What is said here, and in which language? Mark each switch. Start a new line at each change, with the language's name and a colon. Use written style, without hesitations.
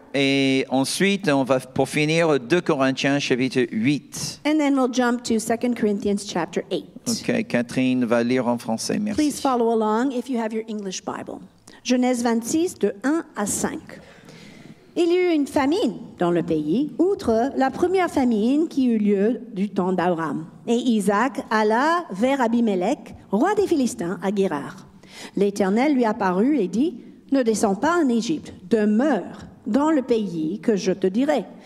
French: Et ensuite, on va pour finir 2 Corinthiens chapitre 8.
English: And then we'll jump to 2 Corinthians chapter 8.
French: Okay, Catherine va lire en français. Merci.
English: Please follow along if you have your English Bible.
French: Genèse 26, de 1 à 5. Il y eut une famine dans le pays, outre la première famine qui eut lieu du temps d'Abraham. Et Isaac alla vers Abimélec, roi des Philistins, à Guérar. L'Éternel lui apparut et dit, « Ne descends pas en Égypte, demeure dans le pays que je te dirai.